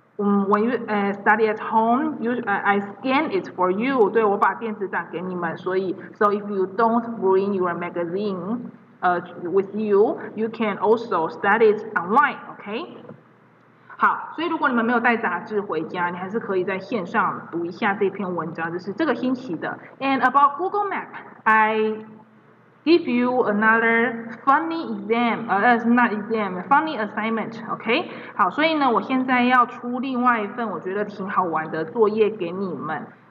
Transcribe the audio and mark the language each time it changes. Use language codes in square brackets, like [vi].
[en] When you study at home, I scan it for you. 对，我把电子档给你们，所以 if you don't bring your magazine, with you, you can also study it online. Okay. [zh] 好，所以如果你们没有带杂志回家，你还是可以在线上读一下这篇文章，就是这个星期的. [en] And about Google Map, I give you another funny exam, not exam, funny assignment, okay? [zh] 好，所以呢，我现在要出另外一份我觉得挺好玩的作业给你们.